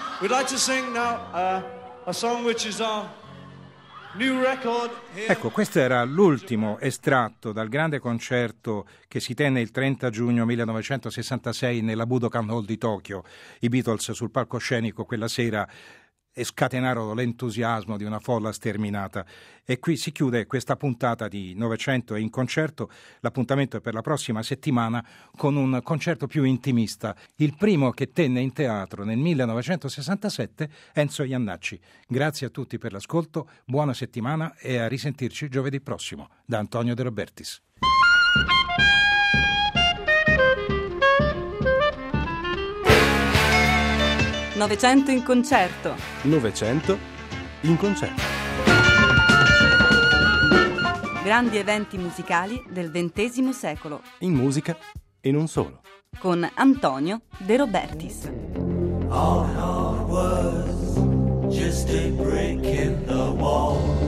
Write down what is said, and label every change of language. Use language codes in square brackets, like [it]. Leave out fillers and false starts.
[en] We'd like to sing now a song which is our new record. [it] Ecco, questo era l'ultimo estratto dal grande concerto che si tenne il 30 giugno 1966 nella Budokan Hall di Tokyo. I Beatles sul palcoscenico quella sera e scatenarono l'entusiasmo di una folla sterminata. E qui si chiude questa puntata di 900 in concerto. L'appuntamento è per la prossima settimana con un concerto più intimista, il primo che tenne in teatro nel 1967 Enzo Iannacci. Grazie a tutti per l'ascolto, buona settimana e a risentirci giovedì prossimo da Antonio De Robertis. Novecento in concerto. Novecento in concerto. Grandi eventi musicali del XX secolo. In musica e non solo. Con Antonio De Robertis. [en] All our words, just a break in the wall.